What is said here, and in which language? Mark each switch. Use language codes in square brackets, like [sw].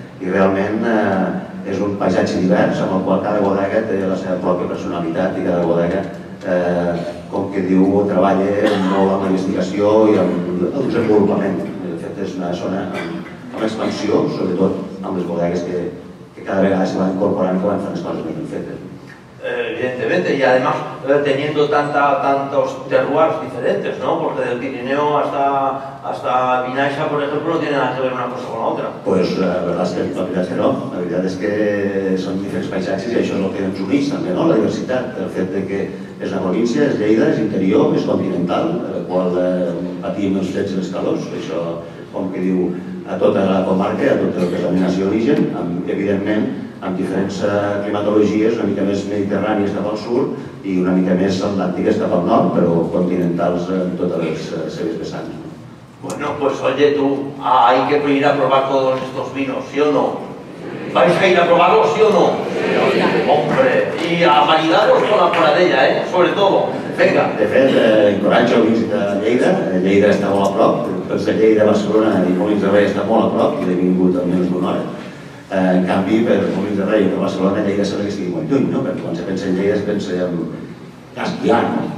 [ca] I realment és un paisatge divers amb el qual cada bodega té la seva pròpia personalitat i cada bodega, com que diu, treballa molt amb la investigació i amb el desenvolupament. De fet, és una zona amb expansió, sobretot amb les bodegues que cada vegada se van incorporant i que van fent les coses ben fetes. [es] Evidentemente, y además teniendo tantos terroirs diferentes, ¿no? Porque del Pirineo hasta Vinaixa, por ejemplo, no tiene nada que ver una cosa con la otra. Pues la verdad es que no. La verdad es que son diferentes paisajes y eso es lo que nos une también, ¿no? La diversidad, [ca] el fet de que és la província, és Lleida, és interior, és continental, el qual patim els fets i els calors, això, com que diu, a tota la comarca, a tota la denominació d'origen, evidentment, amb diferents climatologies, una mica més mediterrànies cap al sud i una mica més atlàntiques cap al nord, però continentals en totes les seves vessants. [es] Bueno, pues oye, tú, hay que venir a probar todos estos vinos, ¿sí o no? ¿Vais a ir a probarlo, sí o no? Sí, hombre, y a maridaros con la Coradella, ¿eh? Sobre todo. Venga. [ca] De fet, encoratjo a visitar Lleida. Lleida està molt a prop. Pensa que Lleida, Barcelona i Molins de Rei està molt a prop i l'he vingut almenys d'una hora. En canvi, per Molins de Rei o per Barcelona, Lleida sembla que estigui molt lluny, no? Perquè quan se pensa en Lleida es pensa en Castellà, no?